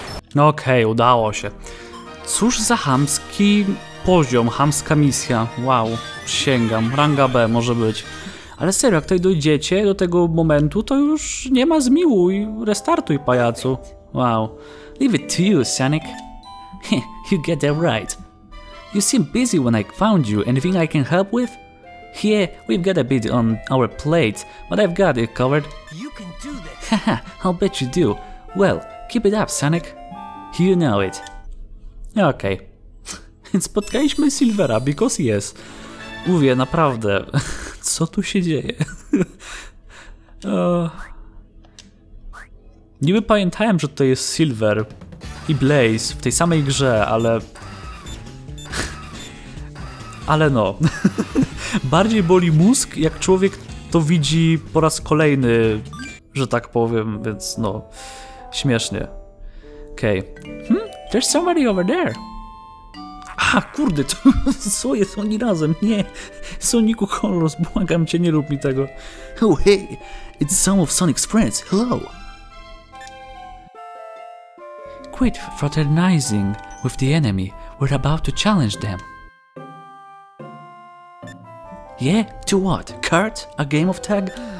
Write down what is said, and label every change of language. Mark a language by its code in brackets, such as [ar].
[pl] Okej, okay, udało się. Cóż za chamski poziom, chamska misja. Wow, przysięgam. Ranga B może być. Ale serio, jak tutaj dojdziecie do tego momentu, to już nie ma zmiłuj. Restartuj, pajacu. [en] Wow. Leave it to you, Sonic. You get that right. You seem busy when I found you. Anything I can help with? Yeah, we've got a bit on our plate, but I've got it covered. You can do this! Haha, I'll bet you do. Well, keep it up, Sonic. You know it. Okej. Okay. [pl] Spotkaliśmy Silvera, [en] because yes. [pl] Mówię, naprawdę. Co tu się dzieje? Niby pamiętałem, że to jest Silver i Blaze w tej samej grze, ale... Ale no. Bardziej boli mózg, jak człowiek to widzi po raz kolejny, że tak powiem, więc no. Śmiesznie. Okej. Okay. [en] There's somebody over there. [pl] A, kurde, to co jest, oni razem, nie. Soniku Colors, błagam cię, nie rób mi tego. [en] Oh, hey, it's some of Sonic's friends, hello. Quit fraternizing with the enemy, we're about to challenge them. Yeah, to what? Kurt? A game of tag?